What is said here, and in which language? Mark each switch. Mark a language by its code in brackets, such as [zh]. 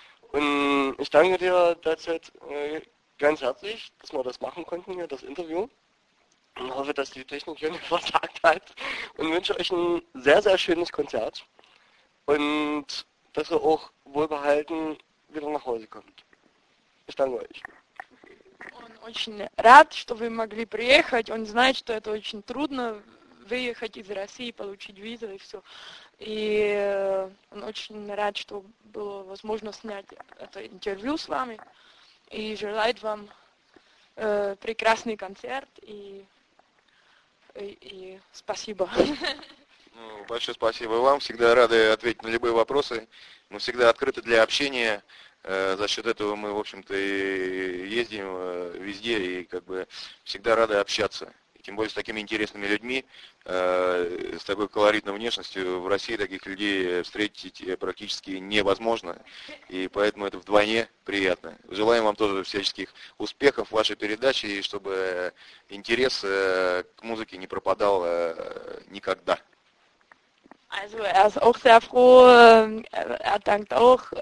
[de] Und ich danke dir derzeit ganz herzlich, dass wir das machen konnten hier, das Interview. Und hoffe, dass die Technik hier nicht versagt hat. Und wünsche euch ein sehr, sehr schönes Konzert. Und dass ihr auch wohlbehalten wieder nach Hause kommt. Ich danke euch. [ru] Он очень рад, что вы могли приехать. Он знает, что это очень трудно выехать из России, получить визу и все. И он очень рад, что было возможно снять это интервью с вами. И желает вам прекрасный концерт. И спасибо. Ну, большое спасибо вам. Всегда рады ответить на любые вопросы. Мы всегда открыты для общения. За счет этого мы, в общем-то, и ездим везде и как бы всегда рады общаться. И тем более с такими интересными людьми, с такой колоритной внешностью. В России таких людей встретить практически невозможно. И поэтому это вдвойне приятно. Желаем вам тоже всяческих успехов в вашей передаче и чтобы интерес к музыке не пропадал никогда. [de] Also, er ist auch sehr froh. Er dankt auch.